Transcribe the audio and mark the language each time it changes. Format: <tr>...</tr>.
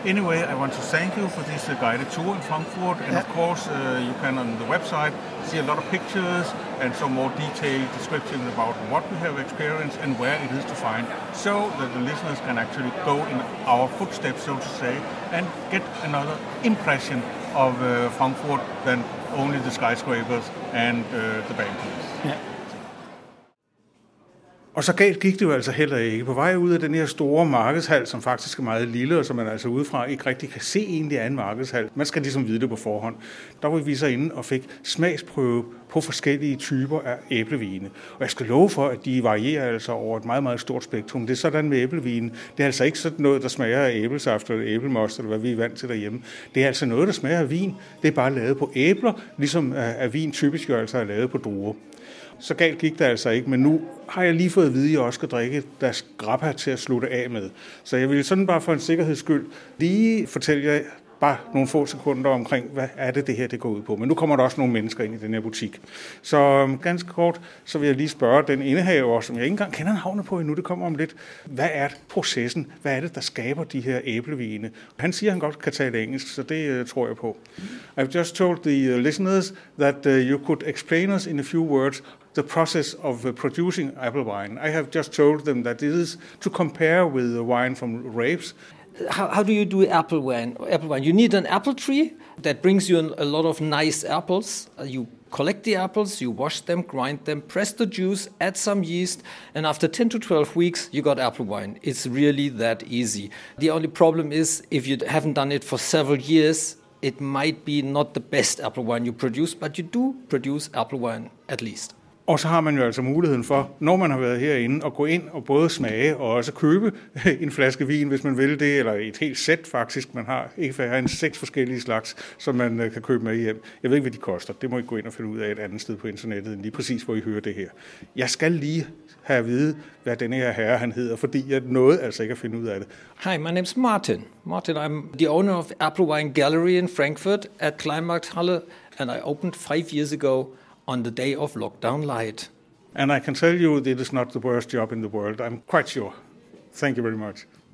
<en>Anyway, I want to thank you for this guided tour in Frankfurt. And of course, you can on the website see a lot of pictures and some more detailed descriptions about what we have experienced and where it is to find, so that the listeners can actually go in our footsteps, so to say, and get another impression of Frankfurt than only the skyscrapers and the banks.</en> <da>Og så galt gik det jo altså heller ikke. På vej ud af den her store markedshal, som faktisk er meget lille, og som man altså udefra ikke rigtig kan se egentlig er en markedshal. Man skal ligesom vide det på forhånd. Der var vi så inde og fik smagsprøve på forskellige typer af æblevine. Og jeg skal love for, at de varierer altså over et meget, meget stort spektrum. Det er sådan med æblevine. Det er altså ikke sådan noget, der smager af æblesaft eller æblemost, eller hvad vi er vant til derhjemme. Det er altså noget, der smager af vin. Det er bare lavet på æbler, ligesom af vin typisk jo altså er lavet på druer. Så galt gik det altså ikke, men nu har jeg lige fået at vide, at jeg også skal drikke deres grappa til at slutte af med. Så jeg vil sådan bare for en sikkerheds skyld lige fortælle jer bare nogle få sekunder omkring, hvad er det her, det går ud på. Men nu kommer der også nogle mennesker ind i den her butik. Så ganske kort, så vil jeg lige spørge den indehaver, som jeg ikke engang kender navnet på endnu, det kommer om lidt. Hvad er processen? Hvad er det, der skaber de her æblevine? Han siger, han godt kan tale engelsk, så det tror jeg på.</da> <en>I've just told the listeners that you could explain us in a few words the process of producing apple wine. I have just told them that it is to compare with the wine from grapes. How do you do apple wine? You need an apple tree that brings you a lot of nice apples. You collect the apples, you wash them, grind them, press the juice, add some yeast, and after 10 to 12 weeks, you got apple wine. It's really that easy. The only problem is if you haven't done it for several years, it might be not the best apple wine you produce, but you do produce apple wine at least.</en> <da>Og så har man jo altså muligheden for, når man har været herinde, at gå ind og både smage og også købe en flaske vin, hvis man vil det, eller et helt sæt faktisk, man har ikke færre end 6 forskellige slags, som man kan købe med hjem. Jeg ved ikke, hvad de koster. Det må I gå ind og finde ud af et andet sted på internettet, end lige præcis, hvor I hører det her. Jeg skal lige have at vide, hvad denne her herre han hedder, fordi jeg nåede altså ikke at finde ud af det.</da> <en>Hi, my name's Martin. Martin, I'm the owner of Apple Wine Gallery in Frankfurt at Kleinmarkthalle, and I opened 5 years ago on the day of lockdown light. And I can tell you that it is not the worst job in the world. I'm quite sure. Thank you very much.</en>